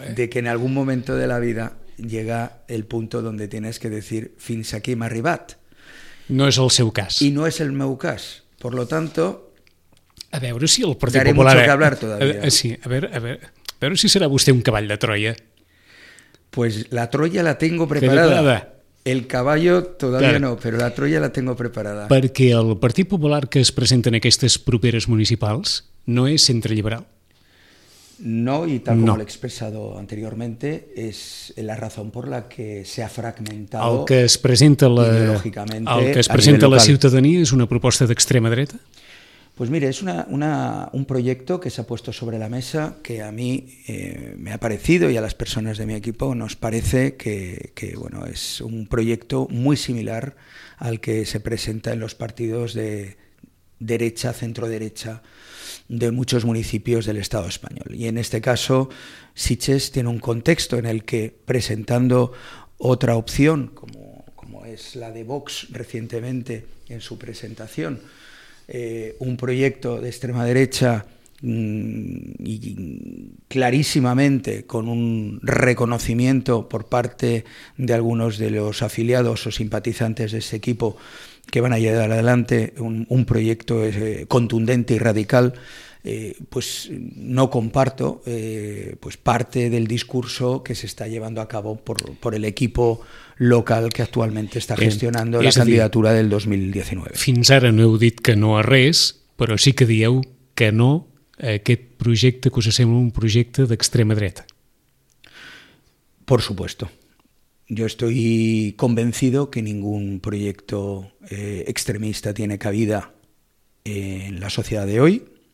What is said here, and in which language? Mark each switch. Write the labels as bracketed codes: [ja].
[es] De que en algún momento de la vida llega el punto donde tienes que decir [ca] fins aquí hem arribat. No és el seu cas. I no és el meu cas. [es] Por lo tanto, [ca] a veure si el Partit [es] daré [ca] Popular... [es] Daré mucho que hablar todavía. [ca] A veure si serà vostè un cavall de Troia. [es] Pues la Troia la tengo preparada. [ca] El cavall [es] todavía no, però la Troia la tengo preparada. [ca] Perquè el Partit Popular que es presenta en aquestes properes municipals no és centreliberal. [es] No, y tal como lo he expresado anteriormente, es la razón por la que se ha fragmentado. [ca] El que es presenta a la ciutadania és una proposta d'extrema dreta? [es] Pues mire, es un proyecto que se ha puesto sobre la mesa, que a mí me ha parecido y a las personas de mi equipo nos parece que es un proyecto muy similar al que se presenta en los partidos de derecha, centro-derecha, de muchos municipios del Estado español. Y en este caso, Sitges tiene un contexto en el que, presentando otra opción, como es la de Vox recientemente en su presentación, un proyecto de extrema derecha y clarísimamente con un reconocimiento por parte de algunos de los afiliados o simpatizantes de ese equipo que van a llevar adelante un proyecto contundente y radical, pues no comparto pues parte del discurso que se está llevando a cabo por el equipo local que actualmente está gestionando la candidatura del 2019. [ca] Fins ara no heu dit que no a res, però sí que dieu que no a aquest projecte que us sembla un projecte d'extrema dreta. [es] Por supuesto. Yo estoy convencido que ningún proyecto extremista tiene cabida en la sociedad de hoy.